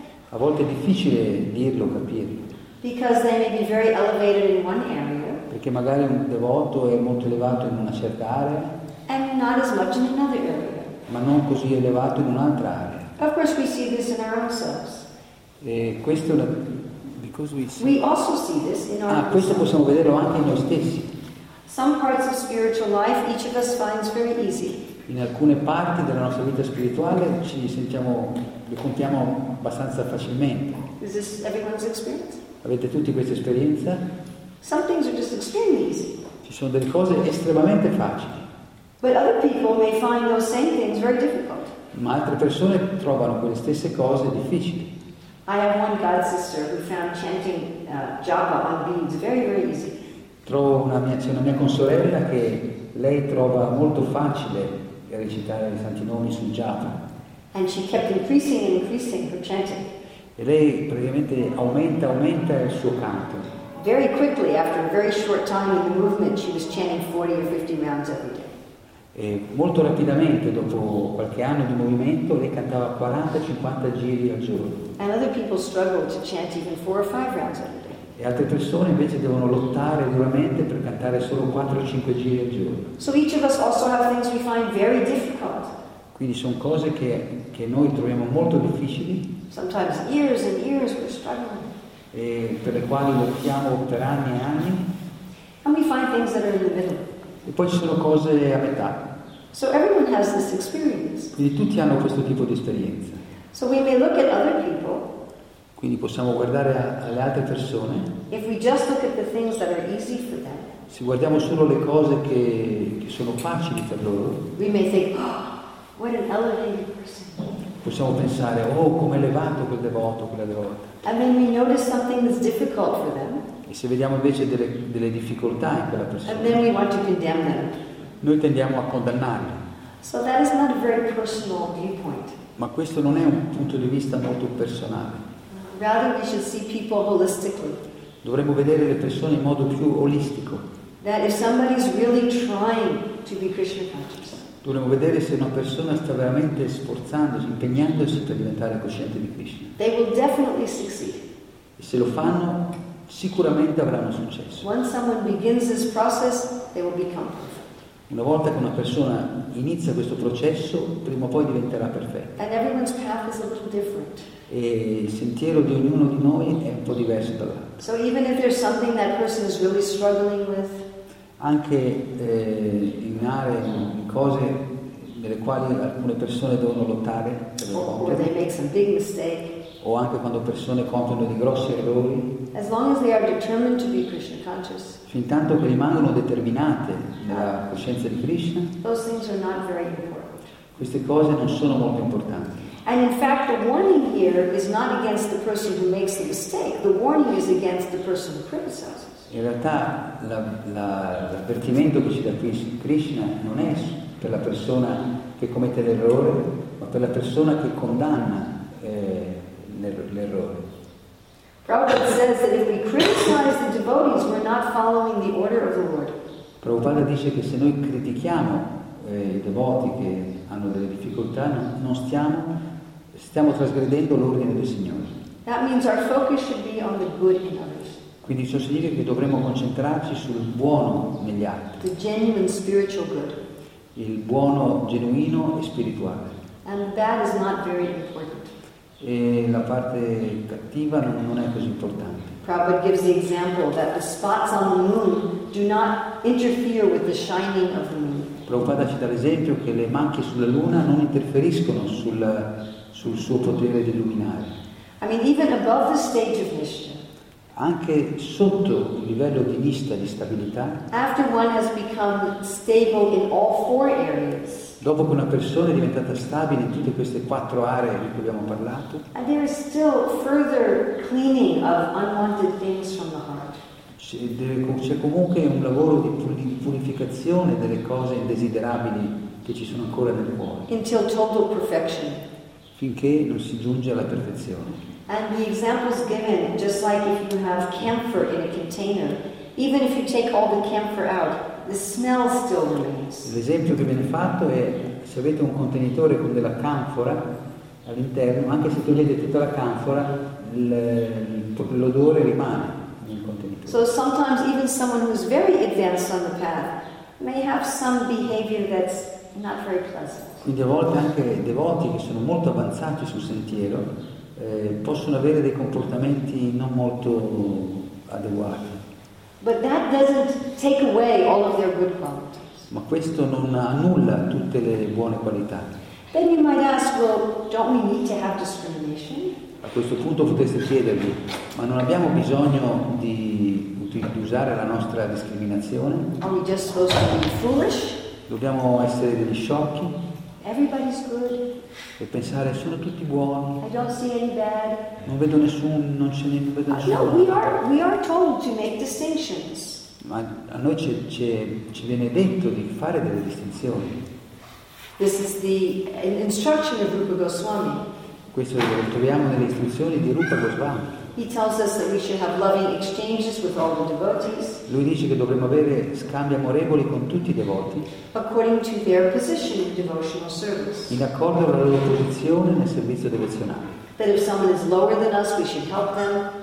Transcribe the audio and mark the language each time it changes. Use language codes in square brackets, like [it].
[it] A volte è difficile dirlo, capirlo. [en] Because they may be very elevated in one area. [it] Perché magari un devoto è molto elevato in una certa area. [en] And not as much in another area. [it] Ma non così elevato in un'altra area. [en] Of course, we see this in our own selves. [it] E questo [en] because we see. We also see this in our. [it] Ah, questo possiamo vederlo anche in noi stessi. [en] Some parts of spiritual life, each of us finds very easy. [it] In alcune parti della nostra vita spirituale ci sentiamo, le compiamo abbastanza facilmente. [en] Is this everyone's experience? [it] Avete tutti questa esperienza? [en] Some things are just extremely easy. [it] Ci sono delle cose estremamente facili. [en] But other people may find those same things very difficult. [it] Ma altre persone trovano quelle stesse cose difficili. [en] I have one god sister who found chanting japa on beads very, very easy. [it] Trovo una mia consorella che lei trova molto facile recitare i santi nomi sul japa. [en] And she kept increasing and increasing her chanting. [it] E lei praticamente aumenta il suo canto. [en] Very quickly, after a very short time in the movement, she was chanting 40 or 50 rounds every day. [it] E molto rapidamente, dopo qualche anno di movimento, lei cantava 40-50 giri al giorno. [en] And other people struggle to chant even 4 or 5 rounds every day. [it] E altre persone invece devono lottare duramente per cantare solo 4-5 giri al giorno. [en] So each of us also have things we find very difficult. [it] Quindi sono cose che noi troviamo molto difficili. [en] Sometimes years and years we're struggling. [it] E per le quali lottiamo per anni e anni. [en] And we find things that are in the middle. [it] E poi ci sono cose a metà. [en] So everyone has this experience. [it] Quindi tutti hanno questo tipo di esperienza. [en] So we may look at other people. [it] Quindi possiamo guardare alle altre persone. [en] If we just look at the things that are easy for them. [it] Se guardiamo solo le cose che sono facili per loro. [en] We may say, oh, what an elevated person. [it] Possiamo pensare, oh, come elevato quel devoto, quella devota. [en] And then we notice something that's difficult for them. [it] E se vediamo invece delle difficoltà in quella persona. [en] And then we want to condemn them. [it] Noi tendiamo a condannarli. [en] So that is not a very personal viewpoint. [it] Ma questo non è un punto di vista molto personale. [en] Rather we should see people holistically. [it] Dovremmo vedere le persone in modo più olistico. [en] That if somebody is really trying to be Krishna conscious. [it] Dovremmo vedere se una persona sta veramente sforzandosi, impegnandosi per diventare cosciente di Krishna. [en] They will definitely succeed. [it] E se lo fanno, sicuramente avranno successo. [en] Once someone begins this process, they will become perfect. [it] Una volta che una persona inizia questo processo, prima o poi diventerà perfetta. [en] And everyone's path is a little different. [it] E il sentiero di ognuno di noi è un po' diverso da là. [en] So even if there's something that person is really struggling with, [it] anche in aree, in cose nelle quali alcune persone devono lottare [en] or they make some big mistake, [it] o anche quando persone compiono di grossi errori, [en] as long as they are determined to be Krishna conscious, [it] fin tanto che rimangono determinate nella coscienza di Krishna, [en] those things are not very important. [it] Queste cose non sono molto importanti. [en] And in fact, the warning here is not against the person who makes the mistake. The warning is against the person who criticizes. [it] In realtà, l'avvertimento che ci dà Krishna non è per la persona che commette l'errore, ma per la persona che condanna l'errore. [en] Prabhupada says that if we criticize the devotees, we're not following the order of the Lord. [it] Prabhupada dice che se noi critichiamo i devoti che hanno delle difficoltà, non stiamo trasgredendo l'ordine del Signore. [en] That means our focus should be on the good in others. [it] Quindi ciò significa che dovremmo concentrarci sul buono negli altri. [en] The genuine spiritual good. [it] Il buono genuino e spirituale. [en] And that is not very important. [it] E la parte cattiva non è così importante. [en] Prabhupada gives the example that the spots on the moon do not interfere with the shining of the moon. [it] Prabhupada ci dà l'esempio che le macchie sulla luna non interferiscono sul suo potere di illuminare. [en] I mean, even above the stage of Nishtha, [it] anche sotto il livello di Nishtha, di stabilità, [en] after one has become stable in all four areas, [it] dopo che una persona è diventata stabile in tutte queste quattro aree di cui abbiamo parlato, [en] and there is still further cleaning of unwanted things from the heart. [it] C'è comunque un lavoro di purificazione delle cose indesiderabili che ci sono ancora nel cuore. [en] Until total perfection. [it] Finché non si giunge alla perfezione. [en] And the examples given, just like if you have camphor in a container, even if you take all the camphor out, the smell still remains. [it] L'esempio che viene fatto è se avete un contenitore con della canfora all'interno, anche se togliete tutta la canfora, l'odore rimane. [en] So sometimes even someone who's very advanced on the path may have some behavior that's not very pleasant. [it] Quindi a volte anche devoti che sono molto avanzati sul sentiero possono avere dei comportamenti non molto adeguati. [en] But that doesn't take away all of their good qualities. [it] Ma questo non annulla tutte le buone qualità. [en] Then you might ask, well, don't we need to have discrimination? [it] A questo punto potreste chiedervi, ma non abbiamo bisogno di usare la nostra discriminazione? [en] Are we just supposed to be foolish? [it] Dobbiamo essere degli sciocchi? [en] Everybody's good. [it] E pensare, sono tutti buoni? [en] I don't see any bad. [it] Non vedo nessun, non ce ne vedo nessuno. [en] No, we are told to make distinctions. [it] Ma a noi ci viene detto di fare delle distinzioni. [en] This is the instruction of Rupa Goswami. [it] Questo lo troviamo nelle istruzioni di Rupa Goswami. [en] He tells us that we should have loving exchanges with all the devotees. [it] Lui dice che dovremmo avere scambi amorevoli con tutti i devoti. [en] According to their position in devotional service. [it] In accordo alla loro posizione nel servizio devozionale. [en] That if someone is lower than us, we should help them.